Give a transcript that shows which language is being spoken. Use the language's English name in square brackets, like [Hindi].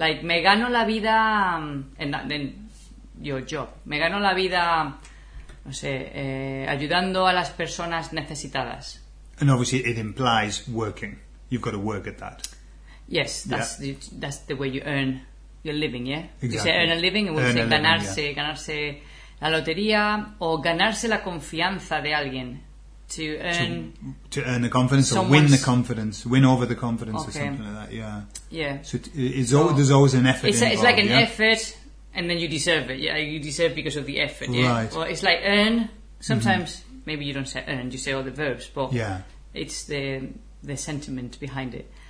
[English] Like, [Spanish] me gano la vida... [English] and then your job. [Spanish] Me gano la vida... no sé, ayudando a las personas necesitadas. [English] And obviously it implies working. You've got to work at that. Yes, that's the way you earn your living, yeah? Exactly. You say earn a living, we'll say ganarse, living, yeah. [Spanish] Ganarse la lotería o ganarse la confianza de alguien. [English] To earn the confidence or win the confidence, win over the confidence or something like that, yeah. Yeah. There's always an effort involved, it's like an effort and then you deserve it. Yeah, you deserve because of the effort, yeah. Right. Or it's like earn, sometimes maybe you don't say earn, you say all the verbs, but it's the sentiment behind it.